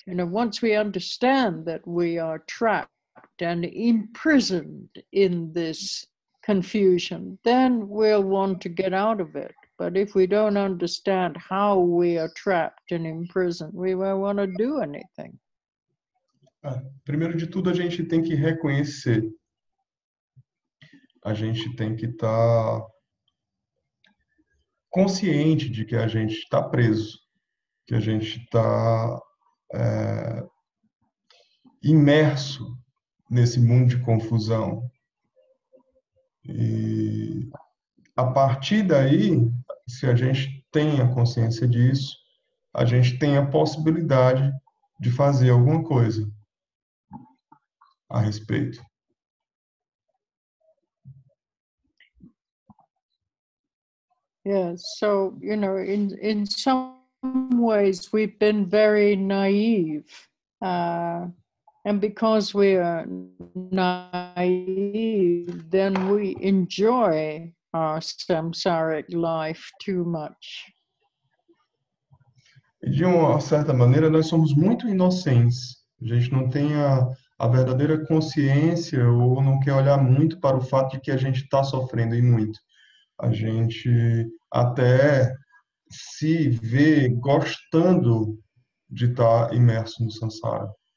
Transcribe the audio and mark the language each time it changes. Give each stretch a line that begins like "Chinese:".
English: You know, once we understand that we are trapped and imprisoned in this confusion, then we'll want to get out of it. But if we don't understand how we are trapped and imprisoned, we won't want to do anything.
Portuguese: Primeiro de tudo, a gente tem que reconhecer. A gente tem que estar consciente de que a gente está preso, que a gente está imerso nesse mundo de confusão. E a partir daí, se a gente tem a consciência disso, a gente tem a possibilidade de fazer alguma coisa a respeito.
English: Yes, so, you know, in some ways we've been very naive. And because we are naive, then we enjoy our samsaric life too much.
Portuguese: De uma certa maneira, nós somos muito inocentes. A gente não tem a verdadeira consciência ou não quer olhar muito para o fato de que a gente está sofrendo e muito. A gente até se vê gostando de estar imerso no samsara.